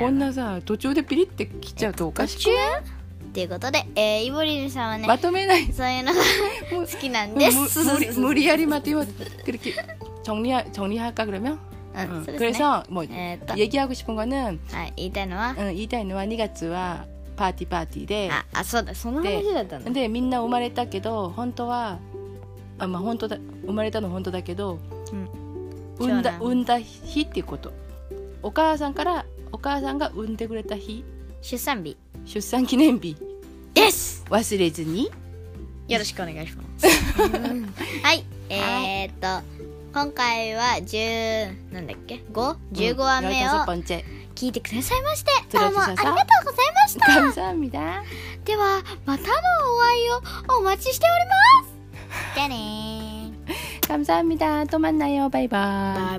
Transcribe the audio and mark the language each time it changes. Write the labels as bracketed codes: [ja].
[ja] こんなさ、途中でピリって切っちゃうとおかしくない？っていうことで、イボリルさんはね、まとめない。そういうのが好きなんです。無理やりまとめます。 [ko] 그렇게、정리할까、그러면 응、 그래서、뭐、얘기하고싶은거는、 [ja] はい、言いたいのは、 [ko] 응、 [ja] 言いたいのは、2月は、パーティーパーティーで、あ、そうだ、その話だったの。で、みんな生まれたけど、本当は、あ、まあ本当だ、生まれたの本当だけど、うん、産んだ日っていうこと。お母さんから、お母さんが産んでくれた日。出産日。出産記念日。です。忘れずに。よろしくお願いします。はい、はい、今回は十なんだっけ、五、十五話目を。聞いてくださいましてどうもありがとうございました [ko] 감사합니다 [ja] ではまたのお会いをお待ちしております。じゃねー。 [ko] 감사합니다. 또 만나요. 바이바이.